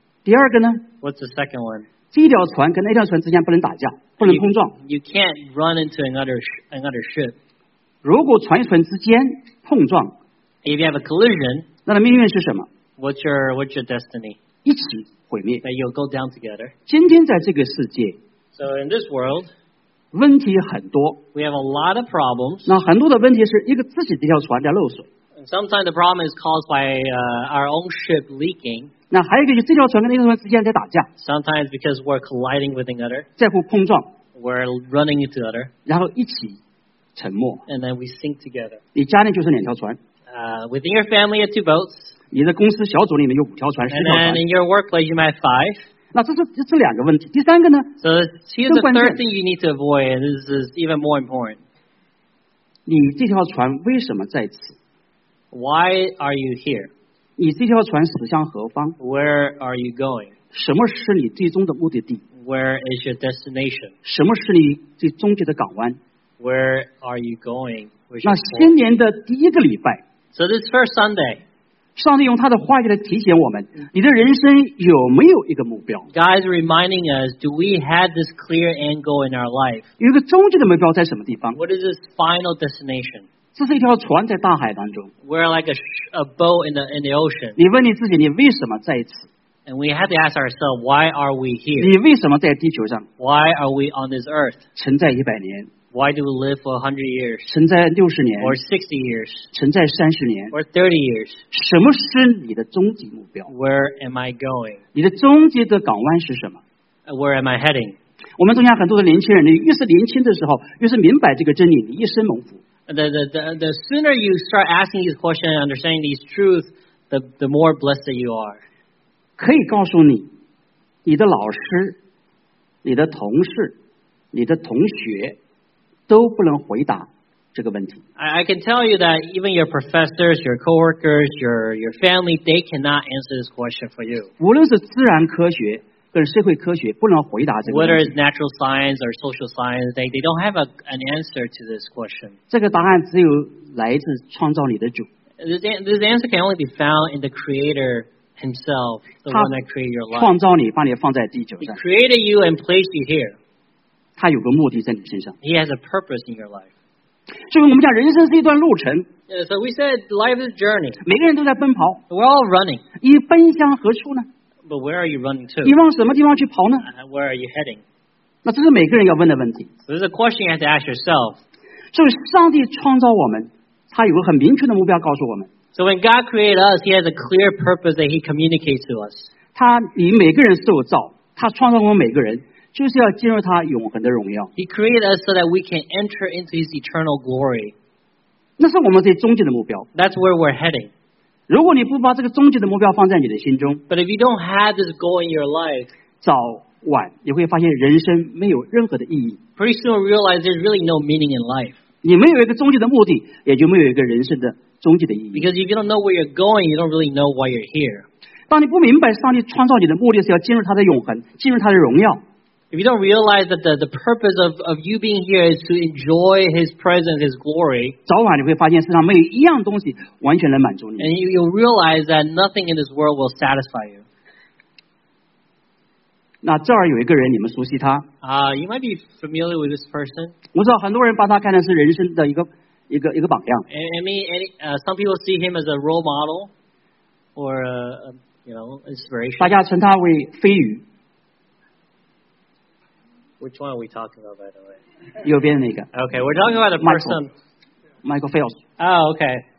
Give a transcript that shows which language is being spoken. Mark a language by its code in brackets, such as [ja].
[zh] 第二个呢 [en] ？What's the second one？ [zh] 这条船跟那条船之间不能打架，不能碰撞。 [en] You can't run into another ship. [zh] 如果船与船之间碰撞 [en] ，If you have a collision， [zh] 那的命运是什么 [en] ？What's your destiny？ [zh] 一起毁灭。 [en] That you'll go down together. [zh] 今天在这个世界 [en] ，So in this world， [zh] 问题很多。 [en] We have a lot of problems. [zh] 那很多的问题是一个自己这条船在漏水。 [en] Sometimes the problem is caused by our own ship leaking. [zh] 那还有一个就是这条船跟那条船之间在打架。 [en] Sometimes because we're colliding with each other. [zh] 在乎碰撞。 [en] We're running into other. [zh] 然后一起沉没。 [en] And then we sink together. [zh] 你家里就是两条船。 [en] Within your family, you have two boats. [zh] 你的公司小组里面有五条船，十条船。 [en] And then in your workplace, you might have five. [zh] 那这是两个问题。第三个呢？ [en] So here's the third thing you need to avoid, and this is even more important. [zh] 你这条船为什么在此？ [en] Why are you here? [zh] 你这条船驶向何方？ [en] Where are you going? [zh] 什么是你最终的目的地？ [en] Where is your destination? [zh] 什么是你最终极的港湾？ [en] Where are you going? [zh] 那新年的第一个礼拜， [en] So this first Sunday, [zh] 上帝用他的话语来提醒我们，你的人生有没有一个目标？ [en] God is reminding us, do we have this clear end goal in our life? [zh] 有一个终极的目标在什么地方？ [en] What is this final destination? [zh] 这是一条船在大海当中。 [en] We're like a boat in the ocean. [zh] 你问你自己，你为什么在此？ [en] And we have to ask ourselves, why are we here? [zh] 你为什么在地球上？ [en] Why are we on this earth? [zh] 存在一百年。 [en] Why do we live for 100 years? [zh] 存在60年 [en] or 60 years? [zh] 存在30年 [en] or 30 years? [zh] 什么是你的终极目标？ [en] Where am I going? [zh] 你的终极的港湾是什么？ [en] Where am I heading? [zh] 我们中间很多的年轻人，你越是年轻的时候，越是明白这个真理，你一生蒙福。 [en] The sooner you start asking these questions and understanding these truths, the more blessed you are. [zh] 可以告诉你，你的老师、你的同事、你的同学都不能回答这个问题。 [en] I can tell you that even your professors, your coworkers, your family, they cannot answer this question for you. [zh] 无论是自然科学跟社会科学，不能回答这个问题。 [en] Whether it's natural science or social science, they don't have an answer to this question. [zh] 这个答案只有来自创造你的主。 [en] This answer can only be found in the Creator Himself, the one that created your life. [zh] 创造你，把你放在地球上。 [en] He created you and placed you here. [zh] 他有个目的在你身上。 [en] He has a purpose in your life. [zh] 就我们讲，人生是一段路程。 [en] Yeah, so we said life is a journey. [zh] 每个人都在奔跑。 [en] We're all running. [zh] 你奔向何处呢？ [en] But where are you running to? [zh] 你往什么地方去跑呢？ [en] Where are you heading? [zh] 那这是每个人要问的问题。 [en] So this is a question you have to ask yourself. [zh] 就上帝创造我们，他有个很明确的目标告诉我们。 [en] So when God created us, He has a clear purpose that He communicates to us. [zh] 他以每个人受造，他创造我们每个人。就是要进入他永恒的荣耀。 [en] He created us so that we can enter into His eternal glory. [zh] 那是我们最终极的目标。 [en] That's where we're heading. [zh] 如果你不把这个终极的目标放在你的心中 [en] ，But if you don't have this goal in your life, [zh] 早晚你会发现人生没有任何的意义。 [en] Pretty soon, realize there's really no meaning in life. [zh] 你没有一个终极的目的，也就没有一个人生的终极的意义。 [en] Because if you don't know where you're going, you don't really know why you're here. [zh] 当你不明白上帝创造你的目的是要进入他的永恒，进入他的荣耀。 [en] If you don't realize that the purpose of you being here is to enjoy His presence, His glory, [zh] 早晚你会发现世上没有一样东西完全能满足你。 [en] And you'll realize that nothing in this world will satisfy you. [zh] 那这儿有一个人，你们熟悉他。 [en] You might be familiar with this person. [zh] 我知道很多人把他看的是人生的一个榜样。 [en] Some people see him as a role model or inspiration. [zh] 大家称他为飞鱼。 [en] Which one are we talking about, by the way? [zh] 右边的那个。 [en] Okay, we're talking about a person. Michael Phelps. Oh, okay.